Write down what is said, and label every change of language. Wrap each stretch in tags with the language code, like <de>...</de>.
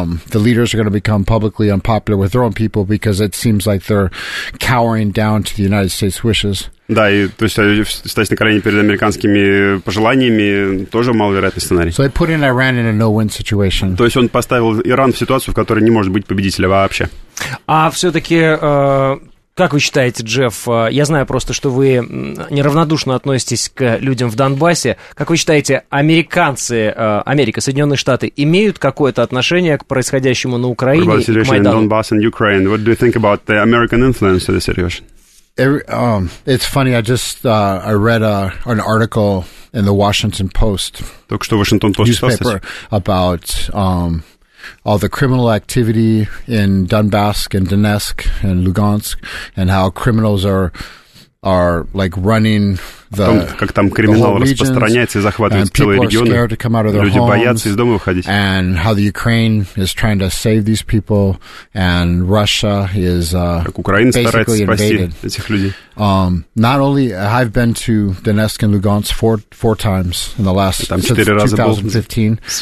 <en>The leaders are going to become publicly unpopular with their own people because it seems like they're cowering down to the United States' wishes.</en> <ru>Да, и то есть встать на колени перед американскими пожеланиями тоже маловероятный сценарий.</ru> <en>So they put in Iran in a no-win situation.</en> <ru>То есть он поставил Иран в ситуацию, в которой не может быть победителя вообще. А все-таки Как вы считаете, Джефф, я знаю просто, что вы неравнодушно относитесь к людям в Донбассе. Как вы считаете, американцы, Америка, Соединенные Штаты, имеют какое-то отношение к происходящему на Украине и к Майдану?</ru> <en>What about the situation in Donbass and Ukraine? What do you think about the American influence of the situation? It's funny, I read an article in the Washington Post.</en> <ru>Только что Washington Post</ru> <en>newspaper about all the criminal activity in Donbass and Donetsk and Lugansk, and how criminals are like running the</en> <ru>как там криминал распространяется и захватывает целые регионы. Люди боятся из дома выходить.</ru> <en>And how the Ukraine is trying to save these people, and Russia is basically invaded</en> <ru>этих людей.</ru> <en>Not only I've been to Donetsk and Lugansk four times in the last</en> <ru>там</ru> <en>since 2015.</en>